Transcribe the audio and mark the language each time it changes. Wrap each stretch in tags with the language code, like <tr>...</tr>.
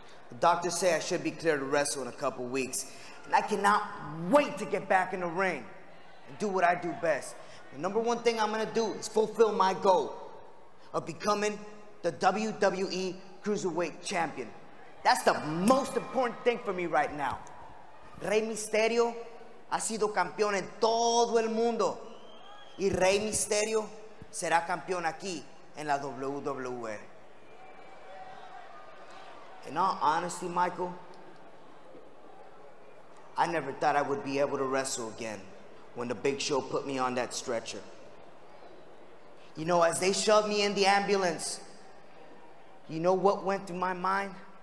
<en>The doctors say I should be clear to wrestle in a couple weeks, and I cannot wait to get back in the ring and do what I do best. The number one thing I'm going to do is fulfill my goal of becoming the WWE Cruiserweight Champion. That's the most important thing for me right now.</en> <es>Rey Mysterio ha sido campeón en todo el mundo. Y Rey Mysterio será campeón aquí en la WWE.</es> <en>In all honesty, Michael, I never thought I would be able to wrestle again when the Big Show put me on that stretcher. You know, as they shoved me in the ambulance, you know what went through my mind?</en>